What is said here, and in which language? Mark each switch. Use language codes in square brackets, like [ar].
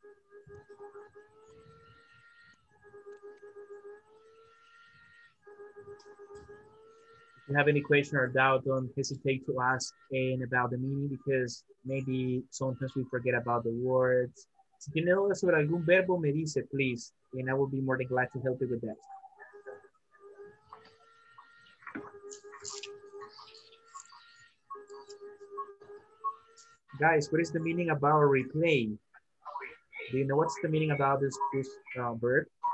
[en] Okay. you have any question or doubt, don't hesitate to ask Kane about the meaning, because maybe sometimes we forget about the words. [es] Si tiene duda sobre algún verbo, me dice, please. [en] And I will be more than glad to help you with that. Guys, what is the meaning about replay? Do you know what's the meaning about this verb?